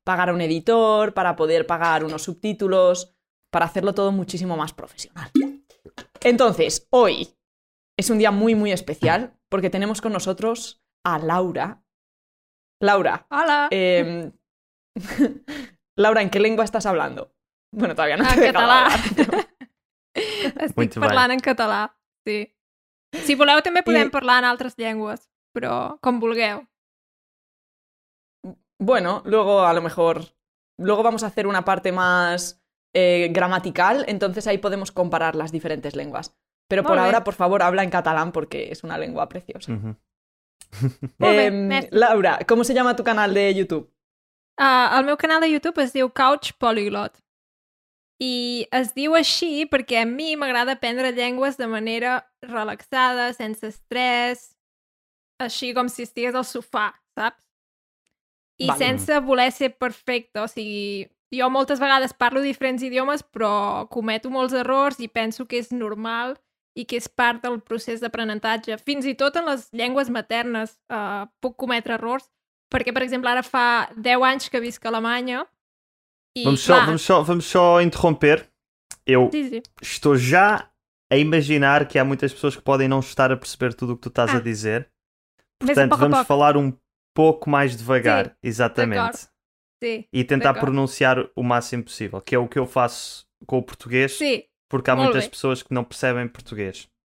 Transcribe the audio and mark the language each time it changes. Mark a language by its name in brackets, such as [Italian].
[Spanish] Pagar a un editor, para poder pagar unos subtítulos, para hacerlo todo muchísimo más profesional. Entonces, hoy es un día muy, muy especial porque tenemos con nosotros a Laura. Laura. Hola. Laura, ¿en qué lengua estás hablando? Bueno, todavía no te he dejado hablar. [Catalan] Estic Muito parlant bé. En català, sí. Si voleu, també podem parlar en altres llengües, però com vulgueu. [Spanish] Bueno, luego a lo mejor... Luego vamos a hacer una parte más gramatical, entonces ahí podemos comparar las diferentes lenguas. Pero por ahora, por favor, habla en catalán porque es una lengua preciosa. Uh-huh. Laura, ¿cómo se llama tu canal de YouTube? [Catalan] El meu canal de YouTube es diu Couch Polyglot. I es diu així perquè a mi m'agrada aprendre llengües de manera relaxada, sense estrès, així com si estigués al sofà, saps? I vale. Sense voler ser perfecte, o sigui, jo moltes vegades parlo diferents idiomes, però cometo molts errors i penso que és normal i que és part del procés d'aprenentatge. Fins i tot en les llengües maternes puc cometre errors, perquè, per exemple, ara fa 10 anys que visc a Alemanya. [Portuguese] Vamos só interromper. Eu estou já a imaginar que há muitas pessoas que podem não estar a perceber tudo o que tu estás a dizer. Portanto, vamos falar um pouco mais devagar, exatamente. E tentar pronunciar o máximo possível, que é o que eu faço com o português, porque há muitas pessoas que não percebem português.